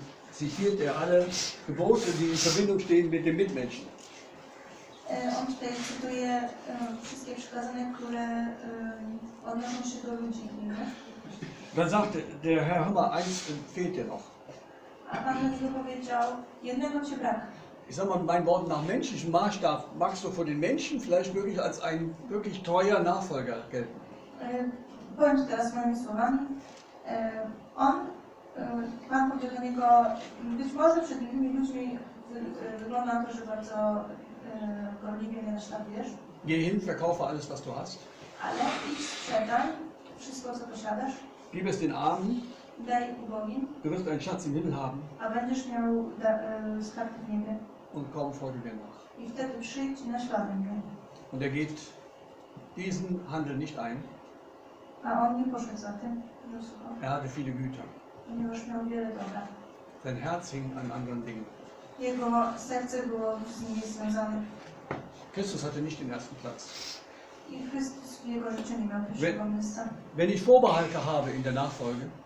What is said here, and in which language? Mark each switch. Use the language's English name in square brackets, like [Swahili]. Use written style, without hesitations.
[German] Zitiert er alle Gebote, die in Verbindung stehen mit den Mitmenschen. [Polish] On tutaj cytuje wszystkie przykazania, które odnoszą się do ludzi. [German] Dann sagte der Herr, hör mal, eins fehlt dir noch. [Polish] A Pan Jezus powiedział, jednego cię brak. [German] Ich sag mal, mein Wort nach menschlichem Maßstab magst du vor den Menschen vielleicht wirklich als ein wirklich treuer Nachfolger gelten. [Polish] Powiem ci teraz moimi słowami. On, Pan powiedział do niego, być może przed innymi ludźmi wygląda na to, że bardzo gorliwie na sztab wiesz. [German] Geh hin, verkaufe alles, was du hast. [Polish] Ale idź, sprzedaj wszystko, co posiadasz. [German] Gib es den Armen. [Polish] Daj ubogim. [German] Du wirst einen Schatz im Himmel haben. [Polish] A będziesz miał skarb w niebie. [German] Und komm folge mir nach. [Polish] I wtedy przyjdź na ślady mnie. [German] Und geht diesen Handel nicht ein. [Polish] A on nie poszedł za tym. [German] Er hatte viele Güter. [Polish] Ponieważ miał wiele dobra. [German] Sein Herz hing an anderen Dingen. [Polish] Jego serce było z nimi związane. [German] Christus hatte nicht den ersten Platz. [Polish] I Chrystus w jego życiu nie miał pierwszego miejsca. [German] Wenn ich Vorbehalte habe in der Nachfolge,